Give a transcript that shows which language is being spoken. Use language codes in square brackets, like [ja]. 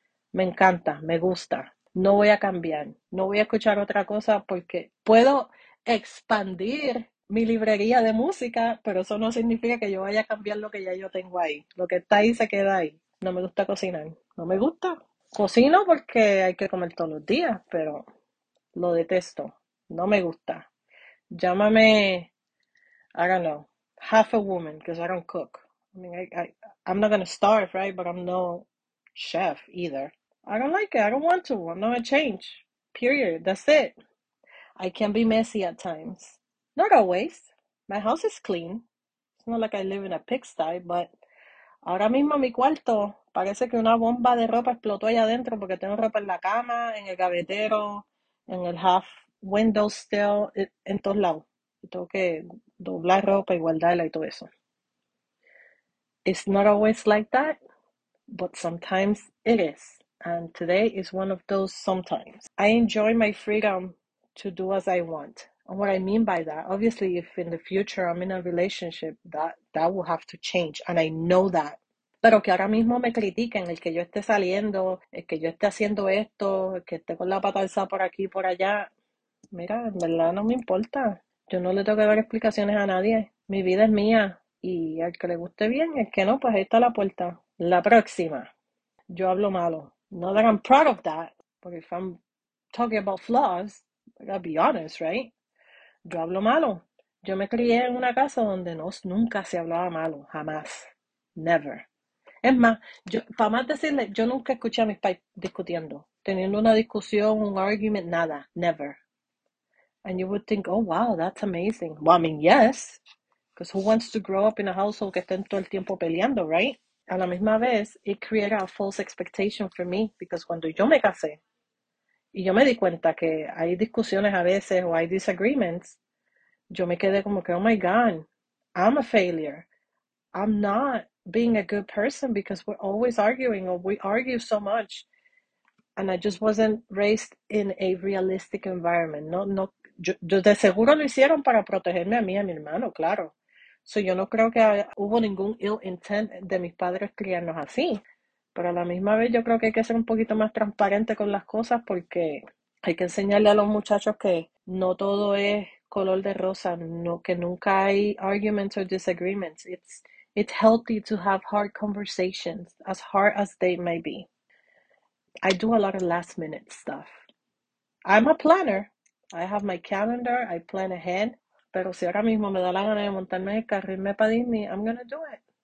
[es] Me encanta, me gusta. No voy a cambiar. No voy a escuchar otra cosa porque puedo expandir mi librería de música, pero eso no significa que yo vaya a cambiar lo que ya yo tengo ahí. Lo que está ahí se queda ahí. No me gusta cocinar. No me gusta. Cocino porque hay que comer todos los días, pero lo detesto. No me gusta. Llámame, [en] I don't know, half a woman, because I don't cook. I mean, I'm not gonna starve, right? But I'm no chef either. I don't like it. I don't want to. I'm not gonna change. Period. That's it. I can be messy at times. Not always. My house is clean. It's not like I live in a pigsty, but [es] ahora mismo mi cuarto parece que una bomba de ropa explotó allá adentro porque tengo ropa en la cama, en el gavetero, en el half. [en] Windows still [es] en todos lados. Tengo que doblar ropa y guardarla y todo eso. [en] It's not always like that, but sometimes it is. And today is one of those sometimes. I enjoy my freedom to do as I want. And what I mean by that, obviously, if in the future I'm in a relationship, that will have to change. And I know that. [es] Pero que ahora mismo me critiquen, el que yo esté saliendo, el que yo esté haciendo esto, el que esté con la pata alzada por aquí y por allá. Mira, en verdad no me importa. Yo no le tengo que dar explicaciones a nadie. Mi vida es mía. Y al que le guste bien, el que no, pues ahí está la puerta. La próxima. Yo hablo malo. [en] No that I'm proud of that. [es] Porque [en] if I'm talking about flaws, I'll be honest, right? [es] Yo hablo malo. Yo me crié en una casa donde no, nunca se hablaba malo. Jamás. Never. Es más, para más decirle, yo nunca escuché a mis pais discutiendo. Teniendo una discusión, un argument, nada. Never. [en] And you would think, oh wow, that's amazing. Well, I mean, yes, because who wants to grow up in a household [es] que estén todo el tiempo peleando, [en] right? [es] A la misma vez, [en] it created a false expectation for me, because [es] cuando yo me casé y yo me di cuenta que hay discusiones a veces o hay disagreements, yo me quedé como que, [en] oh my God, I'm a failure. I'm not being a good person because we're always arguing or we argue so much. And I just wasn't raised in a realistic environment. [es] No, no, yo de seguro lo hicieron para protegerme a mí y a mi hermano, claro. So yo no creo que hubo ningún ill intent de mis padres criarnos así, pero a la misma vez yo creo que hay que ser un poquito más transparente con las cosas porque hay que enseñarle a los muchachos que no todo es color de rosa, no, que nunca hay [en] arguments or disagreements. It's healthy to have hard conversations, as hard as they may be. I do a lot of last minute stuff. I'm a planner. I have my calendar, I plan ahead. [es] Pero si ahora mismo me da la gana de montarme en el carro y irme para Disney, [en] I'm gonna do it.